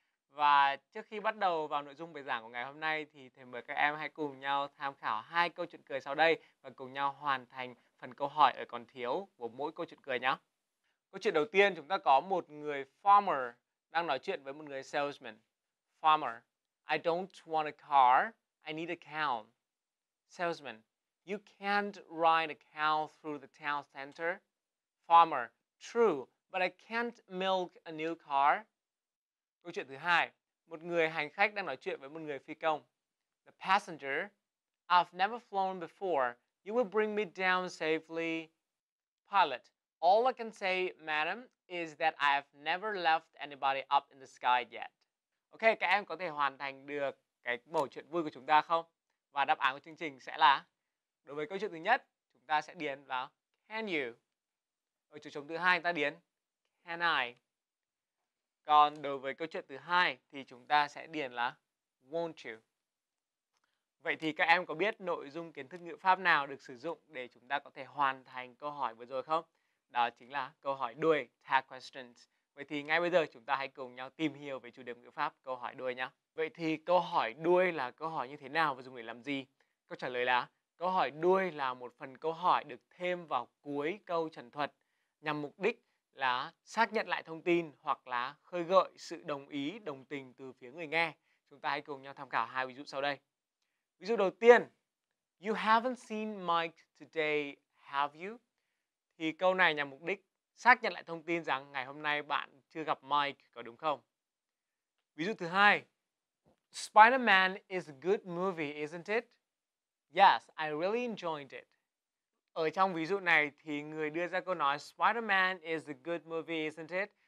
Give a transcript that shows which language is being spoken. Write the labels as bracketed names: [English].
[Vietnamese] Và trước khi bắt đầu vào nội dung bài giảng của ngày hôm nay thì thầy mời các em hãy cùng nhau tham khảo hai câu chuyện cười sau đây và cùng nhau hoàn thành phần câu hỏi ở còn thiếu của mỗi câu chuyện cười nhé. Câu chuyện đầu tiên, chúng ta có một người farmer đang nói chuyện với một người salesman. [English] Farmer: I don't want a car, I need a cow. Salesman: You can't ride a cow through the town center. Farmer: True, but I can't milk a new car. [Vietnamese] Câu chuyện thứ hai, một người hành khách đang nói chuyện với một người phi công. [English] The passenger: I've never flown before. You will bring me down safely. Pilot: All I can say, madam, is that I have never left anybody up in the sky yet. [Vietnamese] Ok, các em có thể hoàn thành được cái mẩu chuyện vui của chúng ta không? Và đáp án của chương trình sẽ là: đối với câu chuyện thứ nhất, chúng ta sẽ điền vào can you. Ở chỗ trống thứ hai, chúng ta điền can I. Còn đối với câu chuyện thứ hai thì chúng ta sẽ điền là won't you. Vậy thì các em có biết nội dung kiến thức ngữ pháp nào được sử dụng để chúng ta có thể hoàn thành câu hỏi vừa rồi không? Đó chính là câu hỏi đuôi, tag questions. Vậy thì ngay bây giờ chúng ta hãy cùng nhau tìm hiểu về chủ đề ngữ pháp câu hỏi đuôi nhé. Vậy thì câu hỏi đuôi là câu hỏi như thế nào và dùng để làm gì? Câu trả lời là: câu hỏi đuôi là một phần câu hỏi được thêm vào cuối câu trần thuật nhằm mục đích là xác nhận lại thông tin hoặc là khơi gợi sự đồng ý, đồng tình từ phía người nghe. Chúng ta hãy cùng nhau tham khảo hai ví dụ sau đây. Ví dụ đầu tiên: [English] You haven't seen Mike today, have you? [Vietnamese] Thì câu này nhằm mục đích xác nhận lại thông tin rằng ngày hôm nay bạn chưa gặp Mike, có đúng không? Ví dụ thứ hai: [English] Spider-Man is a good movie, isn't it? Yes, I really enjoyed it. [Vietnamese] Ở trong ví dụ này thì người đưa ra câu nói [English] Spider-Man is a good movie, isn't it?